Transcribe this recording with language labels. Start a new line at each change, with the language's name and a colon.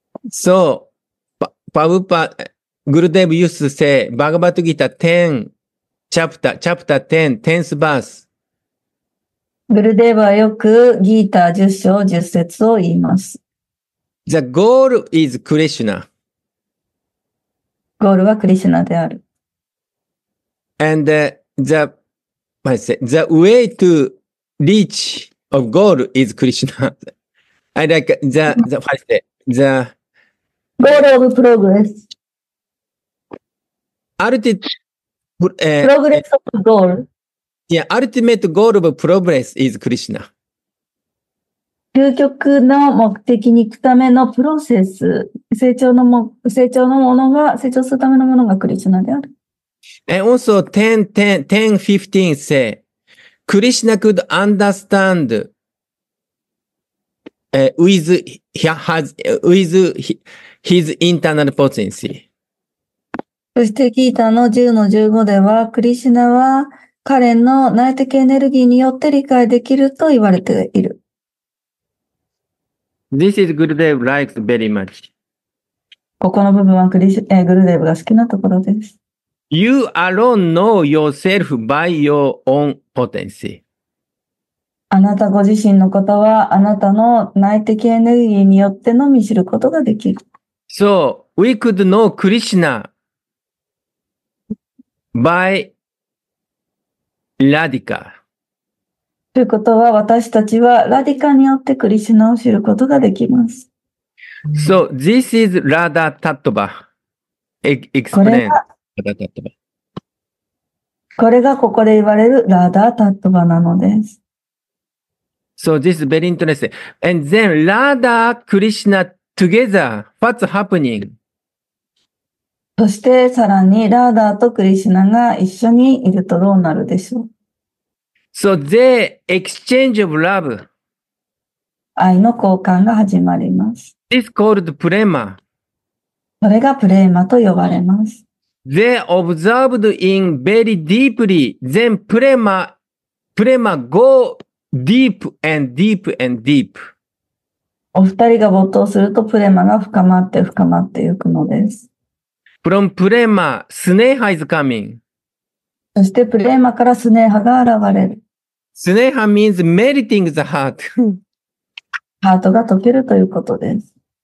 English: So, Prabhupada, Gurudev used to say, Bhagavad Gita 10, chapter 10, 10th verse.
Japanese: Gurudev はよくギーター10章10節を言います。
English: The goal is Krishna.
Japanese: ゴールはクリシュナである。
English: And the way to reach of goal is Krishna. I like the goal of progress. Progress of goal. Yeah, ultimate goal of progress is Krishna.
Japanese: 究極の目的に行くためのプロセス、成長するためのものがクリシュナである。
English: And also 10:15 say, Krishna could understand with his internal potency.
Japanese: そしてギーターの 10-15 では、クリシナは彼の内的エネルギーによって理解できると言われている。
English: This is Gurudev likes very much.
Japanese: ここの部分はGurudevが好きなところです。
English: You alone know yourself by your own potency.
Japanese: あなたご自身のことはあなたの内的エネルギーによってのみ知ることができる。
English: So, we could know Krishna by Radhika.
Japanese: ということは私たちはラディカによってクリシュナを知ることができます。
English: So, this is Radha Tattva. Explain.
Japanese: これがここで言われるラダタットバなのです。
English: So this is very interesting. And then ラダ、クリシナ together, what's happening?
Japanese: そしてさらにラダとクリシナが一緒にいるとどうなるでしょう。
English: So they exchange of love.
Japanese: 愛の交換が始まります。
English: This is called プレマ。
Japanese: それがプレマと呼ばれます。
English: They observed in very deeply, then prema go deep and deep and deep.
Japanese: お二人が没頭すると、プレマが深まって深まっていくのです。
English: From prema, sneha is coming.
Japanese: そしてプレマからスネハが現れる。
English: スネハ means melting the heart.
Japanese: ハートが溶けるということです。